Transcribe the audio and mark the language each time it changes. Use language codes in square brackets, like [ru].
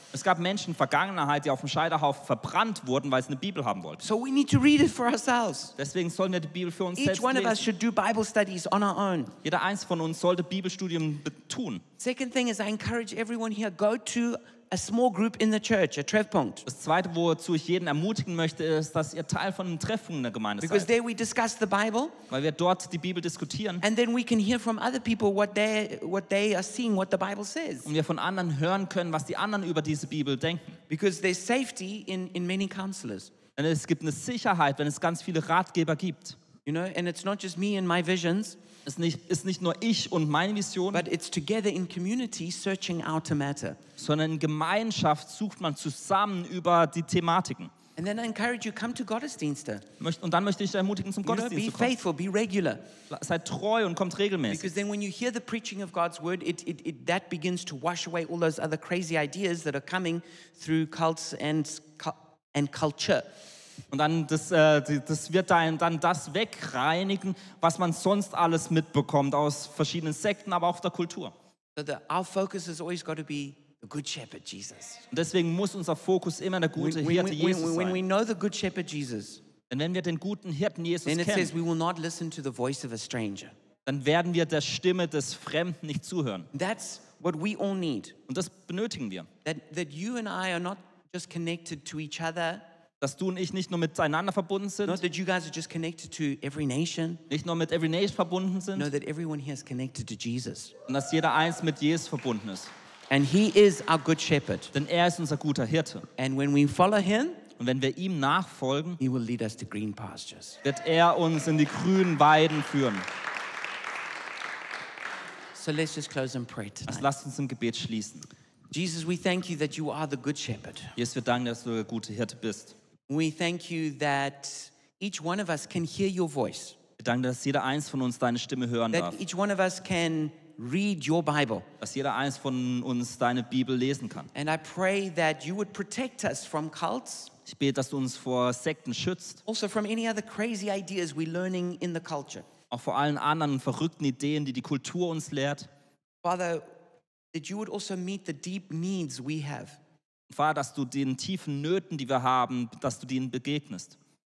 [de] Es gab Menschen in der Vergangenheit, die auf dem Scheiterhaufen verbrannt wurden, weil sie eine Bibel haben wollten. [en] So we need to read it for ourselves. [de] Deswegen sollen wir die Bibel für uns [en] Each [de] selbst lesen. [en] Each one of us should do Bible studies on our own. [de] Jeder eins von uns sollte Bibelstudium tun. [en] Second thing is I encourage everyone here, go to a small group in the church, a Treffpunkt. [de] Das zweite, wozu ich jeden ermutigen möchte, ist, dass ihr Teil von einem Treffpunkt in der Gemeinde seid. [en] Because there we discuss the Bible. [de] Weil wir dort die Bibel diskutieren. [en] And then we can hear from other people what they are seeing, what the Bible says. [de] Und wir von anderen hören können, was die anderen über diese Bibel denken. [en] Because there's safety in many counselors. [de] Denn es gibt eine Sicherheit, wenn es ganz viele Ratgeber gibt. [en] You know, and it's not just me and my visions. [de] Ist nicht nur ich und meine Vision, [en] but it's together in community searching out a matter. [de] Sondern in Gemeinschaft sucht man zusammen über die Thematiken. [en] And then I encourage you, come to Gottesdienste. [de] Und dann möchte ich ermutigen, zum Gottesdienst zu kommen. [en] Be faithful, be regular. [de] Sei treu und kommt regelmäßig. [en] Because then when you hear the preaching of God's word, it that begins to wash away all those other crazy ideas that are coming through cults and culture. [de] Und dann das wird dann das wegreinigen, was man sonst alles mitbekommt aus verschiedenen Sekten, aber auch der Kultur. [en] Our focus has always got to be the Good Shepherd Jesus. [de] Und deswegen muss unser Fokus immer der gute Hirte Jesus sein. [en] When we know the Good Shepherd Jesus, [de] und wenn wir den guten Hirten Jesus kennen, [en] then it says we will not listen to the voice of a stranger. [de] Dann werden wir der Stimme des Fremden nicht zuhören. [en] That's what we all need. [de] Und das benötigen wir. [en] That you and I are not just connected to each other. [de] Dass du und ich nicht nur miteinander verbunden sind. [en] Not that you guys are just connected to every nation. [de] Nicht nur mit every nation verbunden sind. [en] No, that everyone here is connected to Jesus. [de] Und dass jeder eins mit Jesus verbunden ist. [en] And he is our good shepherd. [de] Denn ist unser guter Hirte. [en] And when we follow him, [de] und wenn wir ihm nachfolgen, [en] he will lead us to green pastures. [de] Wird uns in die grünen Weiden führen. [en] So let's just close and pray tonight. [de] Lasst uns im Gebet schließen. [en] Jesus, we thank you that you are the good shepherd. [de] Jesus, wir danken, dass du der gute Hirte bist. [en] We thank you that each one of us can hear your voice. [de] Wir danken, dass jeder eins von uns deine Stimme hören darf. [en] That each one of us can read your Bible. [de] Dass jeder eins von uns deine Bibel lesen kann. [en] And I pray that you would protect us from cults. [de] Ich bete, dass du uns vor Sekten schützt. [en] Also from any other crazy ideas we're learning in the culture. [de] Auch vor allen anderen verrückten Ideen, die Kultur uns lehrt. [en] Father, that you would also meet the deep needs we have. [de] Vater, dass du den tiefen Nöten, die wir haben, dass du denen begegnest.